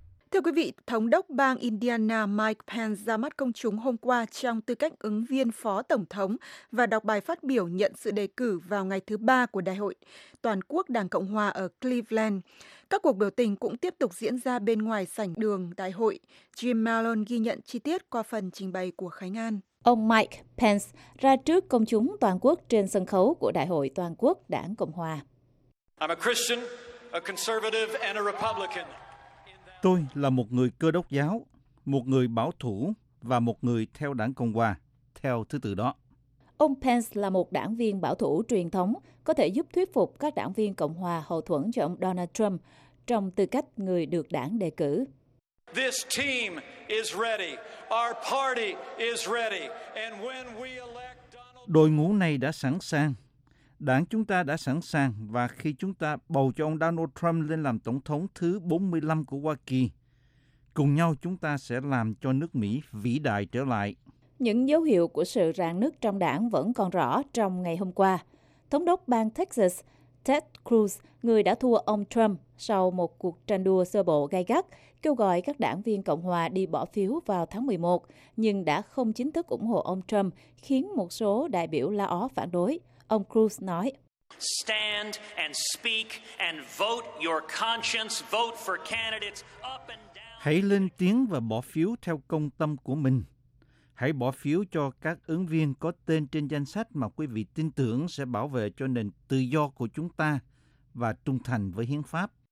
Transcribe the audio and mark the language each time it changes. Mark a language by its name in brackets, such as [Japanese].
[Vietnamese] Thưa quý vị, Thống đốc bang Indiana Mike Pence ra mắt công chúng hôm qua trong tư cách ứng viên phó tổng thống và đọc bài phát biểu nhận sự đề cử vào ngày thứ Ba của Đại hội Toàn quốc Đảng Cộng Hòa ở Cleveland. Các cuộc biểu tình cũng tiếp tục diễn ra bên ngoài sảnh đường đại hội. Jim Malone ghi nhận chi tiết qua phần trình bày của Khánh An. Ông Mike Pence ra trước công chúng toàn quốc trên sân khấu của Đại hội Toàn quốc Đảng Cộng Hòa. [English] I'm a Christian, a conservative and a Republican. [Vietnamese] Tôi là một người Cơ Đốc giáo, một người bảo thủ và một người theo Đảng Cộng Hòa, theo thứ tự đó. Ông Pence là một đảng viên bảo thủ truyền thống, có thể giúp thuyết phục các đảng viên Cộng Hòa hậu thuẫn cho ông Donald Trump trong tư cách người được đảng đề cử. [English] This team is ready. Our party is ready. And when we elect Donald... [Vietnamese] Đội ngũ này đã sẵn sàng. Đảng chúng ta đã sẵn sàng và khi chúng ta bầu cho ông Donald Trump lên làm tổng thống thứ 45 của Hoa Kỳ, cùng nhau chúng ta sẽ làm cho nước Mỹ vĩ đại trở lại. Những dấu hiệu của sự rạn nứt trong đảng vẫn còn rõ trong ngày hôm qua. Thống đốc bang Texas, Ted Cruz, người đã thua ông Trump sau một cuộc tranh đua sơ bộ gay gắt, kêu gọi các đảng viên Cộng Hòa đi bỏ phiếu vào tháng 11, nhưng đã không chính thức ủng hộ ông Trump, khiến một số đại biểu la ó phản đối. Ông Cruz nói: [English] "Stand and speak and vote your conscience, vote for candidates up and down." [Vietnamese] Hãy lên tiếng và bỏ phiếu theo công tâm của mình. Hãy bỏ phiếu cho các ứng viên có tên trên danh sách mà quý vị tin tưởng sẽ bảo vệ cho nền tự do của chúng ta và trung thành với hiến pháp.